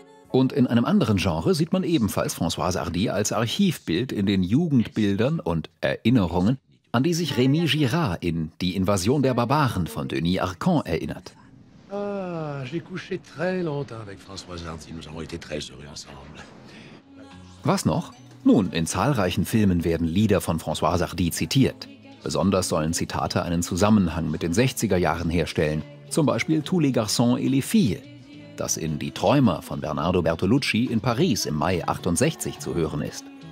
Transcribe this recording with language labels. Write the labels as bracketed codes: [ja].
[de] Und in einem anderen Genre sieht man ebenfalls Françoise Hardy als Archivbild in den Jugendbildern und Erinnerungen, an die sich Rémy Girard in Die Invasion der Barbaren von Denis Arcand erinnert. [fr] Ah, j'ai couché très longtemps avec Françoise Hardy. Nous avons été très heureux ensemble. [de] Was noch? Nun, in zahlreichen Filmen werden Lieder von Françoise Hardy zitiert. Besonders sollen Zitate einen Zusammenhang mit den 60er Jahren herstellen. Zum Beispiel Tous les garçons et les filles, das in Die Träumer von Bernardo Bertolucci in Paris im Mai 68 zu hören ist.